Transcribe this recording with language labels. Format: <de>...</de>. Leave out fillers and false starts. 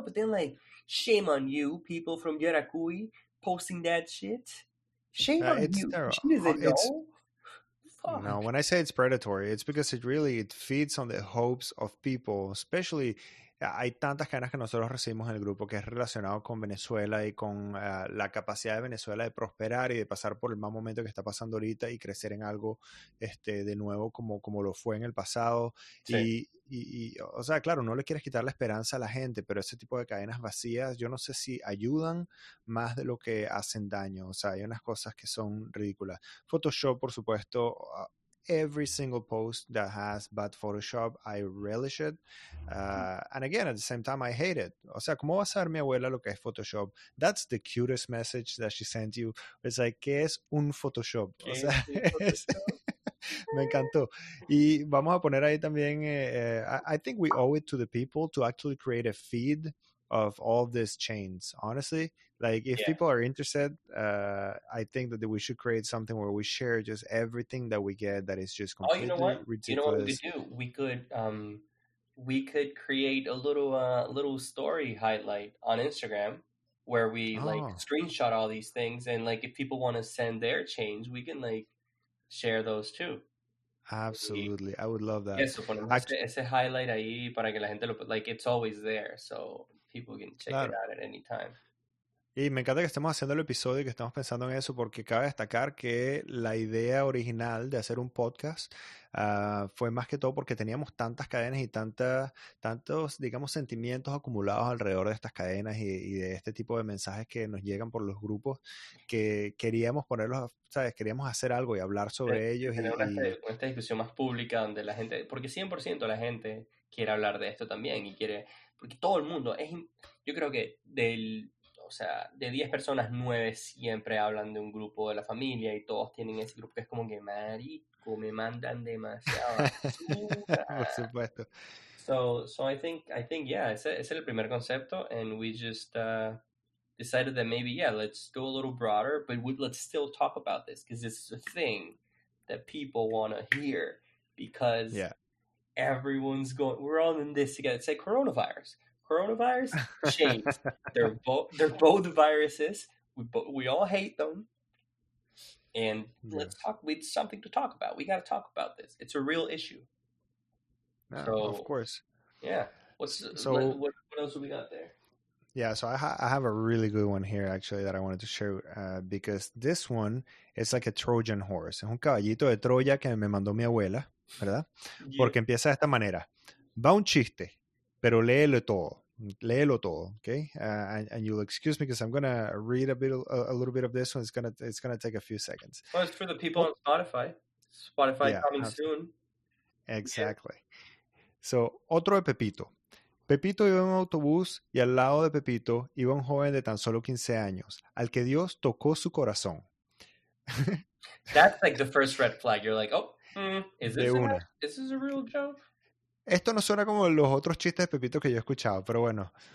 <en>But then, like, shame on you, people from Yaracuy, posting that shit. Shame on you. She doesn't know. No, when I say it's predatory, it's because it really feeds on the hopes of people, especially.</en> <es>Hay tantas cadenas que nosotros recibimos en el grupo que es relacionado con Venezuela y con la capacidad de Venezuela de prosperar y de pasar por el mal momento que está pasando ahorita y crecer en algo de nuevo como lo fue en el pasado. Sí. Y o sea, claro, no le quieres quitar la esperanza a la gente, pero ese tipo de cadenas vacías, yo no sé si ayudan más de lo que hacen daño. O sea, hay unas cosas que son ridículas. Photoshop, por supuesto...</es> <en>Every single post that has bad Photoshop, I relish it. And again, at the same time, I hate it.</en> <es>O sea, ¿cómo va a saber mi abuela lo que es Photoshop?</es> <en>That's the cutest message that she sent you. It's like,</en> <es>¿qué es un Photoshop? O sea, me encantó. Y vamos a poner ahí también,</es> <en>I think we owe it to the people to actually create a feed of all these chains, honestly. Like, if people are interested, I think that we should create something where we share just everything that we get that is just completely ridiculous. Oh, you know what we could do? We could create a little story highlight on Instagram where we, like, screenshot all these things. And, like, if people want to send their chains, we can, like, share those too. Absolutely. I would love that.</en> <es>Eso, ponemos ese highlight ahí para que la gente lo...</es> <en>Like, it's always there, so... People can check it out at any time.</en> <es>Y me encanta que estemos haciendo el episodio y que estemos pensando en eso, porque cabe destacar que la idea original de hacer un podcast fue más que todo porque teníamos tantas cadenas y tantos, digamos, sentimientos acumulados alrededor de estas cadenas y de este tipo de mensajes que nos llegan por los grupos, que queríamos ponerlos, ¿sabes? Queríamos hacer algo y hablar sobre ellos. Esta discusión más pública donde la gente, porque 100% la gente quiere hablar de esto también y quiere... Porque todo el mundo, yo creo que de 10 personas, 9 siempre hablan de un grupo de la familia y todos tienen ese grupo que es como que, marico, me mandan demasiado. Por supuesto.</es> <en>So I think, yeah,</en> <es>ese es el primer concepto</es> <en>and we just decided that maybe, yeah, let's go a little broader, but let's still talk about this because this is a thing that people want to hear because... Yeah. Everyone's going, we're all in this together. It's like coronavirus chains. they're both viruses. We all hate them, and yes. Let's talk. We have something to talk about. We got to talk about this. It's a real issue. Yeah, so, of course. Yeah, what else have we got there? Yeah, so I have a really good one here, actually, that I wanted to share, because this one is like a Trojan horse.</en> <es>Es un caballito de Troya que me mandó mi abuela, ¿verdad? Yeah. Porque empieza de esta manera. Va un chiste, pero léelo todo, okay?</es> <en>And you'll excuse me because I'm going to read a little bit of this one. It's gonna take a few seconds. Well, it's for the people on Spotify. Spotify coming soon. Exactly. Yeah. So,</en> <es>otro de Pepito. Pepito iba en un autobús y al lado de Pepito iba un joven de tan solo 15 años, al que Dios tocó su corazón.</es> <en>That's like the first red flag. You're like, oh, is this,</en> <es>de una.</es> <en>Is this a real joke?</en> <es>Esto no suena como los otros chistes de Pepito que yo he escuchado, pero bueno.</es>